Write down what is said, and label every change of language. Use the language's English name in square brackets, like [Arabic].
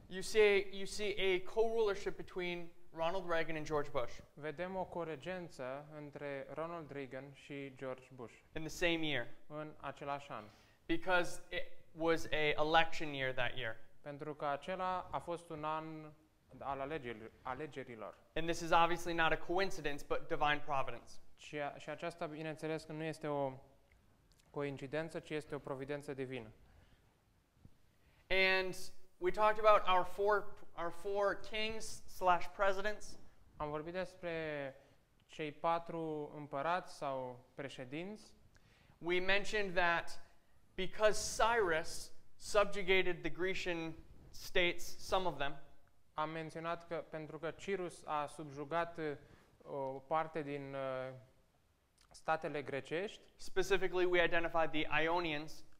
[English] you see a co-rulership between Ronald Reagan and George Bush. [Romanian] Vedem o coregență între Ronald Reagan și George Bush. [English] In the same year. [Romanian] În același an. [English] Because it was a election year that year. [Romanian] Pentru că acela a fost un an al alegerilor. [English] And this is obviously not a coincidence, but divine providence. [Romanian] Și aceasta, bineînțeles, că nu este o coincidență, ci este o providență divină. [English] And we talked about our four kings slash presidents. [Romanian] Am vorbit despre cei patru împărați sau președinți. [English] We mentioned that because Cyrus subjugated the Grecian states, some of them. [Romanian] Am menționat că pentru că Cyrus a subjugat o parte din statele grecești. [English] Specifically, we identified the Ionians.